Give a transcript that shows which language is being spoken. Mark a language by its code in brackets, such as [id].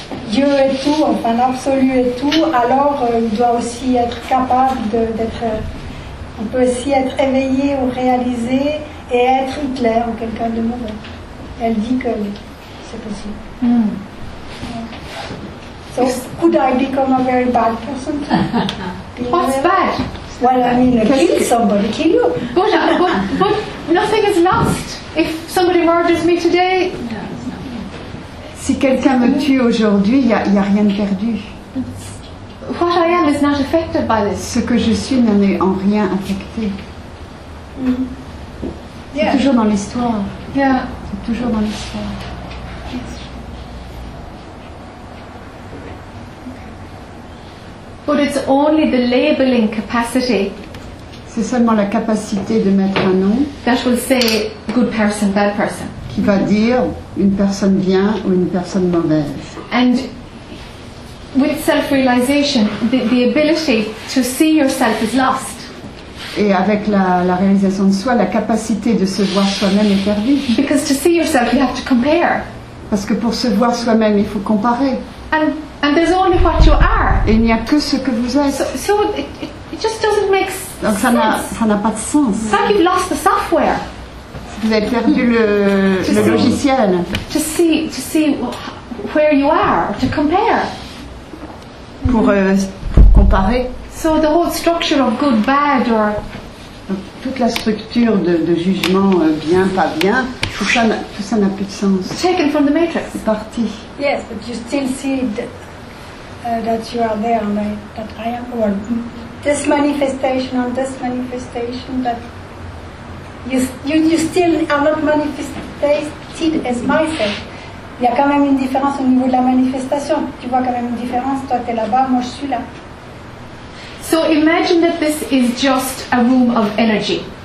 [fr] Dieu est tout, enfin l'absolu est tout, alors il doit aussi être capable d'être. On peut aussi être éveillé ou réalisé et être Hitler ou quelqu'un de mauvais. Elle dit que c'est possible. Mm. [en] So, could I become a very bad person? What's bad? Well, I mean, kill somebody, kill you. But nothing is lost. If somebody murders me today. [fr] Si quelqu'un me tue aujourd'hui, il n'y a rien de perdu. [en] What I am is not affected by this. [fr] Ce que je suis n'en est en rien affecté. Mm-hmm. C'est toujours dans l'histoire. [en] Yeah. [fr] C'est toujours dans l'histoire. [en] Yes. But it's only the labeling capacity. [fr] C'est seulement la capacité de mettre un nom. [en] That will say good person, bad person. [fr] Qui va dire une personne bien ou une personne mauvaise. [en] And with self-realization, the ability to see yourself is lost. [fr] Et avec la réalisation de soi, la capacité de se voir soi-même est perdue. [en] Because to see yourself, you have to compare. [fr] Parce que pour se voir soi-même, il faut comparer. [en] And there's only what you are. [fr] Et il n'y a que ce que vous êtes. [en] So it just doesn't make sense. [fr] Donc ça n'a pas de sens. [en] It's like you've lost the software. [fr] Vous avez perdu le logiciel. [en] To see where you are, to compare. [fr] Pour comparer. [en] So the whole structure of good, bad, or [fr] toute la structure de jugement bien, pas bien, tout ça n'a plus de sens. [en] Taken from the matrix. [fr] C'est parti. [en] Yes, but you still see that you are there, that I am. Well, this manifestation on this manifestation that. You still are not manifested as myself. [fr] Il y a quand même une différence au niveau de la manifestation. Tu vois quand même une différence. Toi, t'es là-bas, moi, je suis là. [en] So imagine that this is just a room of energy.